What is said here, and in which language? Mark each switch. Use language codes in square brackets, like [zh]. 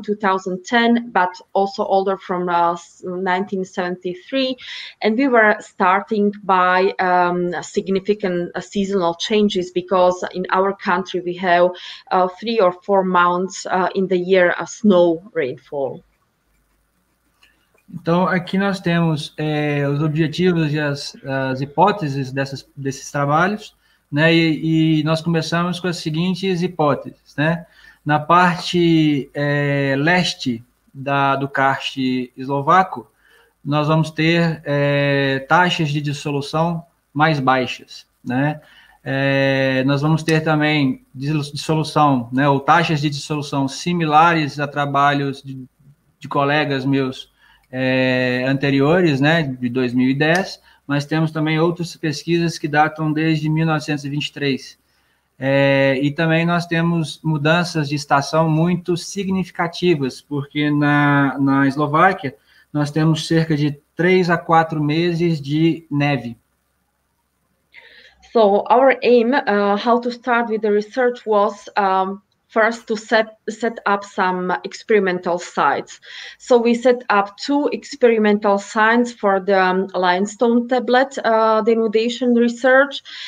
[en] from 2010, but also older from 1973. And we were starting by significant seasonal changes, because in our country we have 3 or 4 months in the year of snow rainfall. [pt] Então, aqui nós temos os objetivos e as hipóteses desses trabalhos, né? E nós começamos com as seguintes hipóteses, né? Na parte leste do karst eslovaco, nós vamos ter taxas de dissolução mais baixas, né? Nós vamos ter também dissolução, né? Ou taxas de dissolução similares a trabalhos de colegas meus anteriores, né, de 2010, mas temos também outras pesquisas que datam desde 1923. E também nós temos mudanças de estação muito significativas, porque na Eslováquia nós temos cerca de 3 a 4 meses de neve. [en] So, our aim, how to start with the research was... First, to set up some experimental sites. So we set up 2 experimental sites for the limestone tablet denudation research.